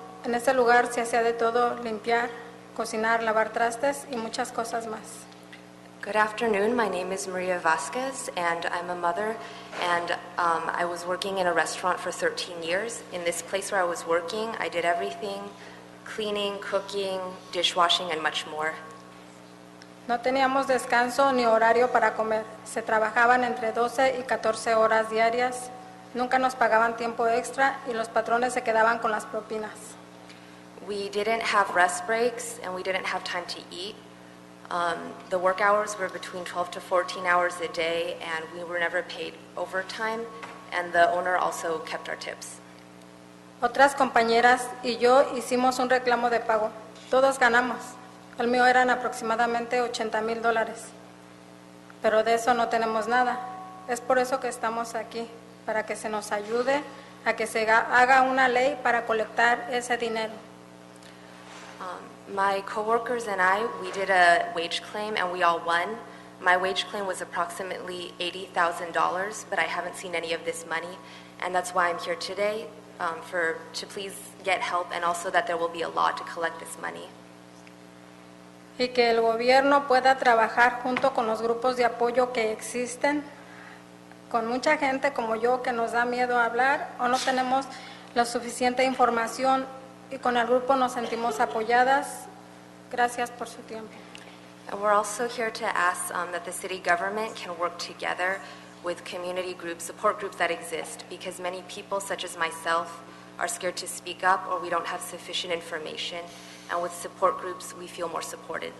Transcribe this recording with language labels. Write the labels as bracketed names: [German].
[Spanish] En ese lugar se hacía de todo, limpiar, cocinar, lavar trastes y muchas cosas más. [English] Good afternoon. My name is Maria Vasquez, and I'm a mother, and I was working in a restaurant for 13 years. In this place where I was working, I did everything, cleaning, cooking, dishwashing, and much more. [Spanish] No teníamos descanso ni horario para comer. Se trabajaban entre 12 y 14 horas diarias. Nunca nos pagaban tiempo extra, y los patrones se quedaban con las propinas. [English] We didn't have rest breaks, and we didn't have time to eat. The work hours were between 12 to 14 hours a day, and we were never paid overtime, and the owner also kept our tips. [Spanish] Otras compañeras y yo hicimos un reclamo de pago. Todos ganamos. El mío eran aproximadamente $80,000. Pero de eso no tenemos nada. Es por eso que estamos aquí, para que se nos ayude a que se haga una ley para colectar ese dinero. [English] My coworkers and I, we did a wage claim and we all won. My wage claim was approximately $80,000, but I haven't seen any of this money. And that's why I'm here today, to please get help, and also that there will be a law to collect this money. [Spanish] Y que el gobierno pueda trabajar junto con los grupos de apoyo que existen, con mucha gente como yo que nos da miedo hablar o no tenemos la suficiente información, y con el grupo nos sentimos apoyadas. Gracias por su tiempo. [English] And we're also here to ask that the city government can work together with community groups, support groups that exist, because many people, such as myself, are scared to speak up or we don't have sufficient information. And with support groups, we feel more supported.